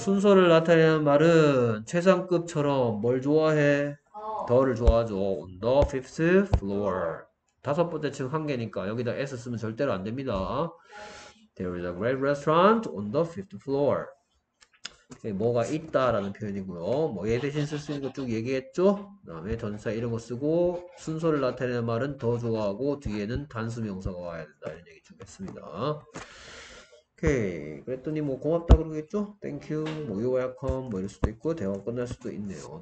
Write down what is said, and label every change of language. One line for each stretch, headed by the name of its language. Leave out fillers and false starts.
Korean: 순서를 나타내는 말은 최상급처럼 뭘 좋아해? 더를 좋아하죠.
English: On the 5th floor.
Korean: 다섯 번째 층 한 개니까 여기다 S 쓰면 절대로 안 됩니다.
English: There is a great restaurant on the 5th floor.
Korean: 뭐가 있다 라는 표현이고요. 뭐 예 대신 쓸 수 있는 거 쭉 얘기했죠. 그 다음에 전사 이런 거 쓰고 순서를 나타내는 말은 더 좋아하고 뒤에는 단수 명사가 와야 된다 이런 얘기 좀 했습니다. 오케이. 그랬더니 뭐 고맙다 그러겠죠. 땡큐 뭐
English: you're welcome
Korean: 뭐 이럴 수도 있고 대화 끝날 수도 있네요.